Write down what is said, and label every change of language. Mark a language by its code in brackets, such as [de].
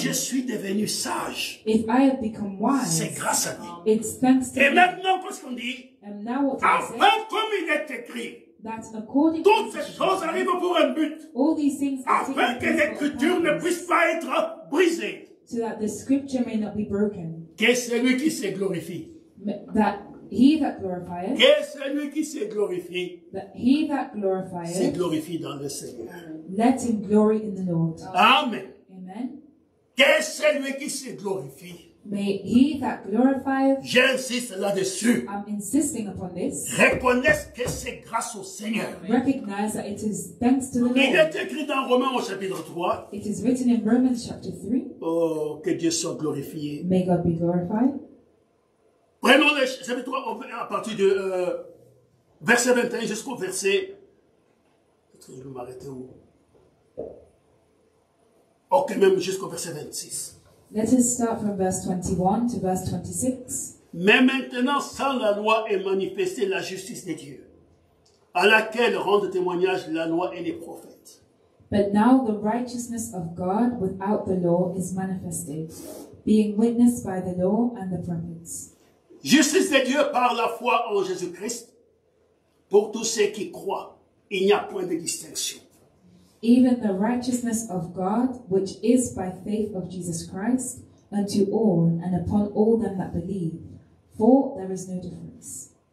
[fr] Si je suis devenu sage. [en] If I have become wise. [fr] C'est grâce à lui. [en] It's thanks to [fr] et [en] him. [fr] Et maintenant parce qu'on dit. [en] And now what [fr] alors, [en] we say, [fr] comme il est écrit. [en] That according [fr] toutes ces choses arrivent pour un but. [en] All these things [fr] afin que l'écriture ne puisse pas être brisée. [en] So that the scripture may not be broken. [fr] Que celui qui se glorifie. [en] That he that glorifies. [fr] Que celui qui se glorifie. [en] That he that glorifies. [fr] Se glorifie dans le Seigneur. [en] Let him glory in the Lord. [fr] Amen. [en] Amen. [fr] Que celui qui se glorifie. [en] May he that glorifies. [fr] J'insiste là-dessus. [en] I'm insisting upon this. [fr] Reconnaisse que c'est grâce au Seigneur. [en] Recognize that it is thanks to the Lord. [fr] Il est écrit dans Romains au chapitre 3. [en] It is written in Romans chapter 3. [fr] Oh, que Dieu soit glorifié. [en] May God be glorified. [fr] Prenons le chapitre 3 à partir de verset 21 jusqu'au verset. Peut-être que je vais m'arrêter où. Ok, même jusqu'au verset 26. [en] Let us start from verse 21 to verse 26. [fr] Mais maintenant, sans la loi est manifestée la justice de Dieu, à laquelle rendent témoignage la loi et les prophètes. [en] But now the righteousness of God without the law is manifested, being witnessed by the law and the prophets. [fr] Justice de Dieu par la foi en Jésus-Christ, pour tous ceux qui croient, il n'y a point de distinction. [en] Even the righteousness of God, which is by faith of Jesus Christ, unto all and upon all them that believe, for there is no difference.